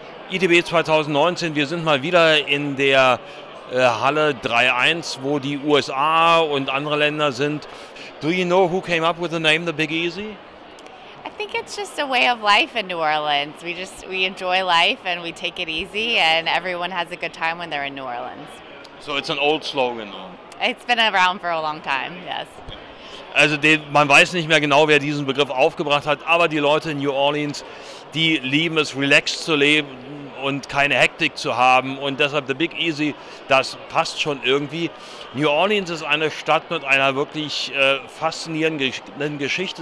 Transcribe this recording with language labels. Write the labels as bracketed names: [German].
[German] ITB 2019, wir sind mal wieder in der Halle 3.1, wo die USA und andere Länder sind. [English] Do you know who came up with the name the Big Easy? I think it's just a way of life in New Orleans. We enjoy life and we take it easy and everyone has a good time when they're in New Orleans. So it's an old slogan though. It's been around for a long time, yes. [German] Also man weiß nicht mehr genau, wer diesen Begriff aufgebracht hat, aber die Leute in New Orleans, die lieben es, relaxed zu leben und keine Hektik zu haben. Und deshalb The Big Easy, das passt schon irgendwie. New Orleans ist eine Stadt mit einer wirklich faszinierenden Geschichte.